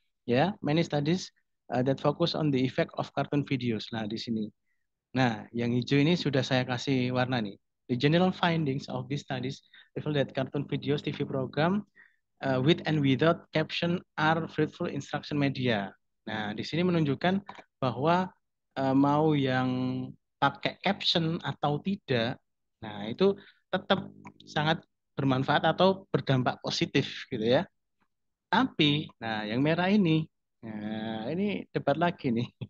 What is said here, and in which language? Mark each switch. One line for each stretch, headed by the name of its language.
English: Ya, many studies that focus on the effect of cartoon videos.
Indonesian: Nah, di sini. Nah, yang hijau ini sudah saya kasih warna nih.
English: The general findings of these studies reveal that cartoon videos TV program with and without caption are fruitful instruction media.
Indonesian: Nah, di sini menunjukkan bahwa mau yang pakai caption atau tidak, nah itu tetap sangat bermanfaat atau berdampak positif gitu ya. Tapi, nah yang merah ini, nah, ini debat lagi nih.